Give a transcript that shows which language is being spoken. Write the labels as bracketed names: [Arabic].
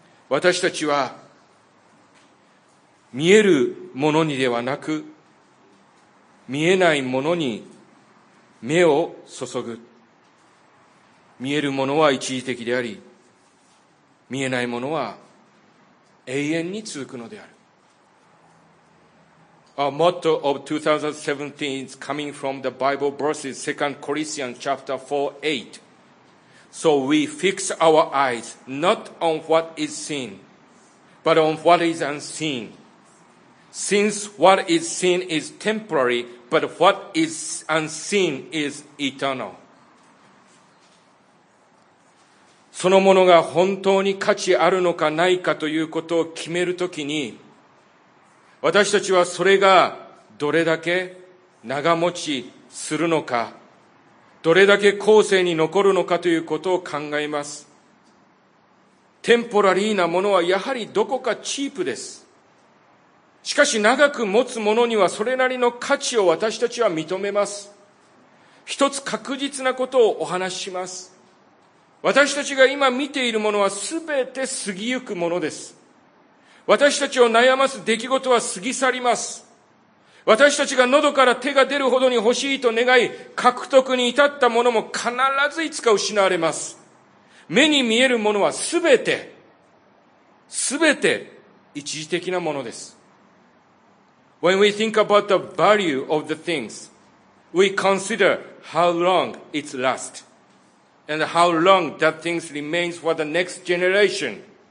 [Japanese] 私たちは見えるものにではなく、見えないものに目を注ぐ。見えるものは一時的であり、見えないものは永遠に続くのである。 [English] Our motto of 2017 is coming from the Bible verses 2 Corinthians chapter 4, 8. So we fix our eyes not on what is seen, but on what is unseen. Since what is seen is temporary, but what is unseen is eternal. [Japanese] そのものが本当に価値あるのかないかということを決めるときに、私たちはそれがどれだけ長持ちするのか、どれだけ後世に残るのかということを考えます。テンポラリーなものはやはりどこかチープです。しかし長く持つものにはそれなりの価値を私たちは認めます。一つ確実なことをお話しします。私たちが今見ているものはすべて過ぎゆくものです。私たちを悩ます出来事は過ぎ去ります。私たちが喉から手が出るほどに欲しいと願い、獲得に至ったものも必ずいつか失われます。目に見えるものはすべて一時的なものです。 [English] When we think about the value of the things, we consider how long it lasts, and how long that things remains for the next generation.